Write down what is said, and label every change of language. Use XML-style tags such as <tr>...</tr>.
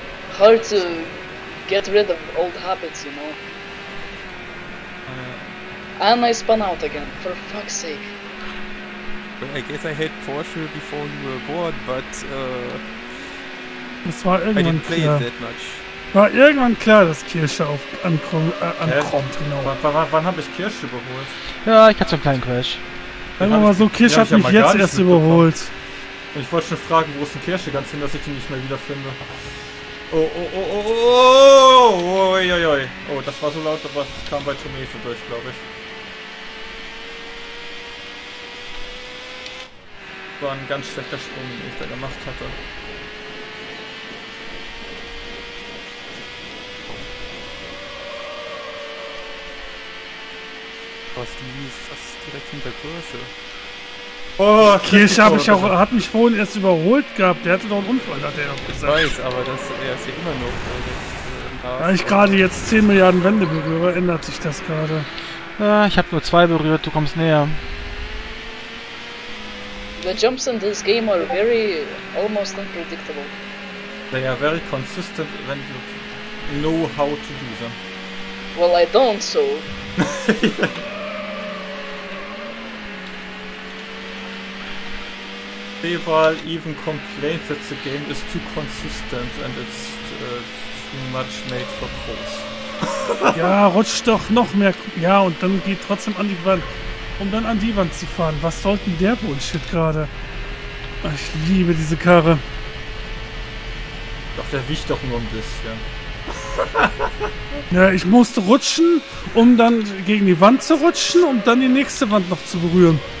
<en>Hard to get rid of old habits, you know. And I spun out again, for fuck's sake. Well, I guess I had Porsche before you were born, but</en> <de>das war irgendwann</de> <en>I didn't play</en> <de>klar.</de> <en>It that much.</en> <de>War irgendwann klar, dass Kirsche auf ankommt, genau. Wann hab ich Kirsche überholt? Ja, ich hatte einen kleinen Crash. Sagen wir mal so, Kirsche hat mich jetzt erst überholt. Ich wollte schon fragen, wo ist denn Kirsche ganz hin, dass ich ihn nicht mehr wiederfinde. Oh, das war so laut, aber es kam bei Tomei so durch, glaube ich. War ein ganz schlechter Sprung, den ich da gemacht hatte. Was, die ist fast direkt hinter Kirsche. Oh, Kirsche hab ich auch, hat mich vorhin erst überholt gehabt. Der hatte doch einen Unfall, hat er gesagt. Ich weiß, aber das er ist ja immer noch. Da ich gerade jetzt 10 Milliarden Wände berühre, ändert sich das gerade. Ja, ich hab nur 2 berührt, du kommst näher.</de> <en>The jumps in this game are very almost unpredictable. They are very consistent when you know how to do them. Well, I don't, so. Deval even complains that the game is too consistent and it's too much made for pros.</en> <de>Ja, rutsch doch noch mehr. Ja, und dann geht trotzdem an die Wand. Um dann an die Wand zu fahren. Was soll denn der Bullshit gerade? Ich liebe diese Karre. Doch, der wiegt doch nur ein bisschen. Ja, ich musste rutschen, um dann gegen die Wand zu rutschen und dann die nächste Wand noch zu berühren.</de>